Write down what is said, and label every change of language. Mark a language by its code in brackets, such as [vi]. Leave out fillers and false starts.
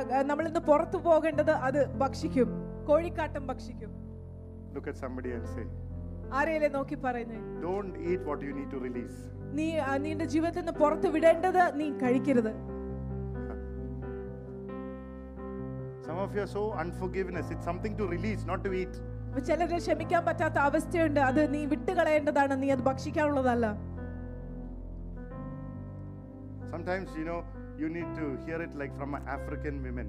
[ml] നമ്മൾ ഇന്ന് പുറത്തു പോകേണ്ടത് അത് ഭക്ഷിക്കും. കോഴിക്കാട്ടം ഭക്ഷിക്കും. [en] Look at somebody and say, [ml] ആരെയെങ്കിലും നോക്കി പറയുന്നു, [en] don't eat what you need to release. [ml] നീ നിന്റെ ജീവിതത്തിൽ നിന്ന് പുറത്തു വിടേണ്ടത് നീ കഴിക്കരുത്. [en] Some of you are so unforgiveness, it's something to release, not to eat. [ml] ചിലരെ ക്ഷമിക്കാൻ പറ്റാത്ത അവസ്ഥയുണ്ട്, അത് നീ വിട്ടുകളയേണ്ടതാണ്, നീ അത് ഭക്ഷിക്കാനുള്ളതല്ല. [en] Sometimes you know you need to hear it like from African women.